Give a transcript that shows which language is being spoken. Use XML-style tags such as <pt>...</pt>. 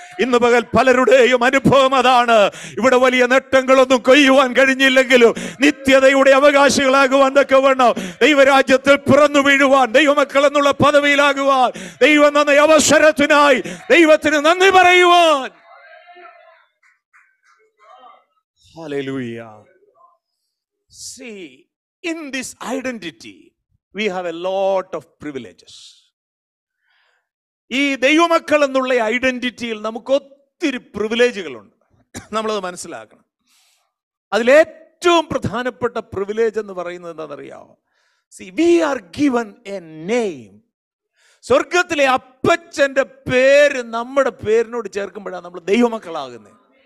<ml>ഇന്ന് പകൽ പലരുടെയും അനുഭവം അതാണ്. ഇവിടെ വലിയ നേട്ടങ്ങളൊന്നും കൊയ്യുവാൻ കഴിഞ്ഞില്ലെങ്കിലും നിത്യതയുടെ അവകാശികളാകുവാൻ തക്ക വേണം. ദൈവരാജ്യത്തിൽ പിറന്നു വീഴുവാൻ, ദൈവമക്കൾ എന്നുള്ള പദവിയിലാകുവാൻ ദൈവം തന്ന അവസരത്തിനായി ദൈവത്തിന് നന്ദി പറയുവാൻ.</ml> <en>Hallelujah. See, in this identity, we have a lot of privileges.</en> <ml>ഈ ദൈവമക്കൾ എന്നുള്ള ഐഡന്റിറ്റിയിൽ നമുക്ക് ഒത്തിരി പ്രിവിലേജുകളുണ്ട്. നമ്മളത് മനസ്സിലാക്കണം. അതിലേറ്റവും പ്രധാനപ്പെട്ട പ്രിവിലേജ് എന്ന് പറയുന്നത് എന്താണെന്നറിയാമോ?</ml> <en>See, we are given a name.</en> <ml>സ്വർഗത്തിലെ അപ്പച്ചന്റെ പേര് നമ്മുടെ പേരിനോട് ചേർക്കുമ്പോഴാണ് നമ്മൾ ദൈവമക്കളാകുന്നത്.</ml>